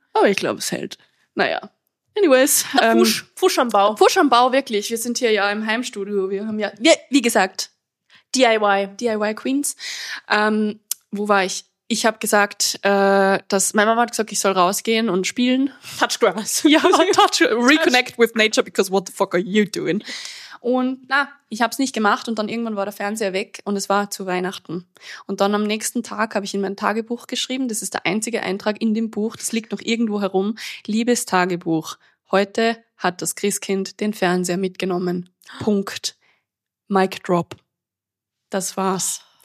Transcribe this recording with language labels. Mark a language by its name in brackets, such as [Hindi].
[German] Aber ich glaube, es hält. Naja. Anyways. Fusch am Bau, wirklich. Wir sind hier ja im Heimstudio. Wir haben ja, wie gesagt, [English] DIY [German] Queens. Wo war ich? Ich habe gesagt, dass meine Mama hat gesagt, ich soll rausgehen und spielen. [English] Touch grass. Ja, reconnect with nature, because what the fuck are you doing? [German] Und ich habe es nicht gemacht und dann irgendwann war der Fernseher weg und es war zu Weihnachten. Und dann am nächsten Tag habe ich in mein Tagebuch geschrieben, das ist der einzige Eintrag in dem Buch, das liegt noch irgendwo herum, Liebestagebuch, Heute hat das Christkind den Fernseher mitgenommen. Punkt. Mic drop. Das war's.